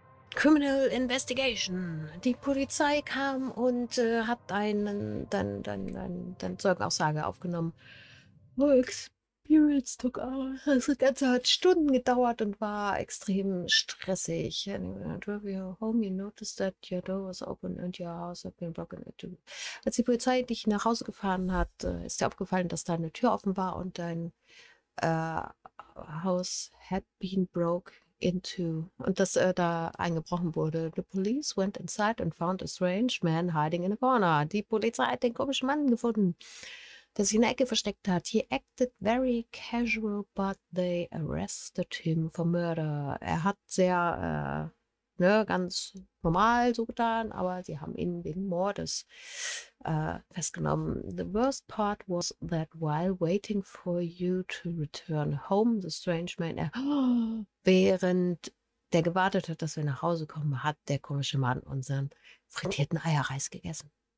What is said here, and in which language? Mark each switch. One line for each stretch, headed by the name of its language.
English: Criminal Investigation.
German: Die Polizei kam und hat deine Zeugenaussage aufgenommen.
English: Oh, Experience took hours.
German: Das Ganze hat Stunden gedauert und war extrem stressig.
English: And when I drove you home, you noticed that your door was open and your house had been broken into.
German: Als die Polizei dich nach Hause gefahren hat, ist dir aufgefallen, dass deine Tür offen war und dein
English: house had been broken into
German: und dass er da eingebrochen wurde.
English: The police went inside and found a strange man hiding in a corner.
German: Die Polizei hat den komischen Mann gefunden, der sich in der Ecke versteckt hat.
English: He acted very casual, but they arrested him for murder.
German: Er hat sehr, ganz normal so getan, aber sie haben ihn wegen Mordes festgenommen.
English: The worst part was that while waiting for you to return home, the strange man,
German: während der gewartet hat, dass wir nach Hause kommen, hat der komische Mann unseren frittierten Eierreis gegessen.